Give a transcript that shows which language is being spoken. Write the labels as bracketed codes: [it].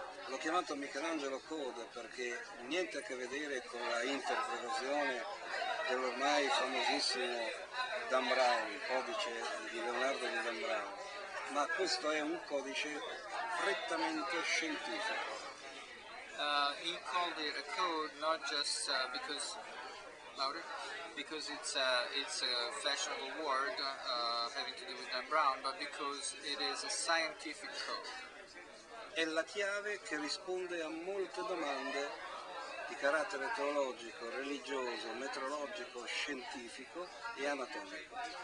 [it] L'ho chiamato Michelangelo Code perché niente a che vedere con la interpretazione dell'ormai famosissimo Dan Brown, il codice di Leonardo di Dan Brown, ma questo è un codice prettamente scientifico. [en] He called it a code not just because louder because it's a fashionable word having to do with Dan Brown, but because it is a scientific code. [it] È la chiave che risponde a molte domande di carattere teologico, religioso, metrologico, scientifico e anatomico.